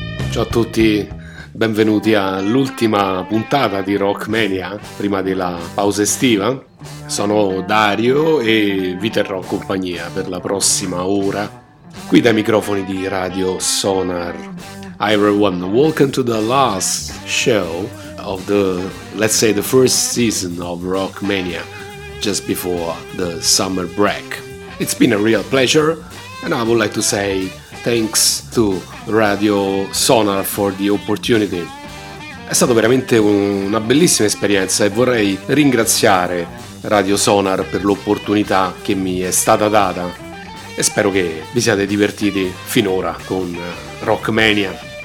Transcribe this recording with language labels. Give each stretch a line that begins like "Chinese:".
Italian: Ciao a tutti, benvenuti all'ultima puntata di Rockmania prima della pausa estiva. Sono Dario e vi terrò compagnia per la prossima ora qui dai microfoni di Radio Sonar.
English: Hi everyone, welcome to the last show of the, let's say, the first season of Rockmania just before the summer break. It's been a real pleasure and I would like to say thanks to Radio Sonar for the opportunity.
Italian: È stato veramente una bellissima esperienza e vorrei ringraziare Radio Sonar per l'opportunità che mi è stata data e spero che vi siate divertiti finora con Rockmania.